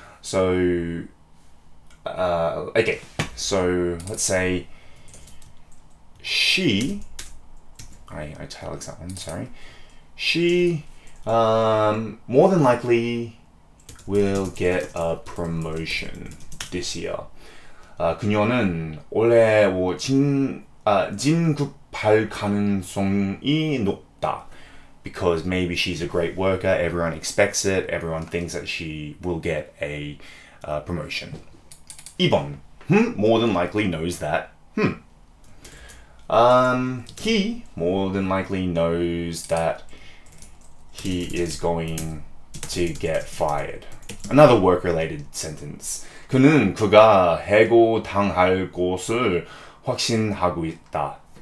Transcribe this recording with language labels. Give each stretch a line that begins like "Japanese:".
English: So okay, so let's say she more than likely will get a promotion this year.
Korean: 그녀는 올해 진급할 가능성이 높다.
English: Because maybe she's a great worker, everyone expects it, everyone thinks that she will get a promotion. 2번, more than likely knows that. He more than likely knows that he is going to get fired. Another work-related sentence.
Korean: 그는 그가 해고당할 곳을 확신하고 있다.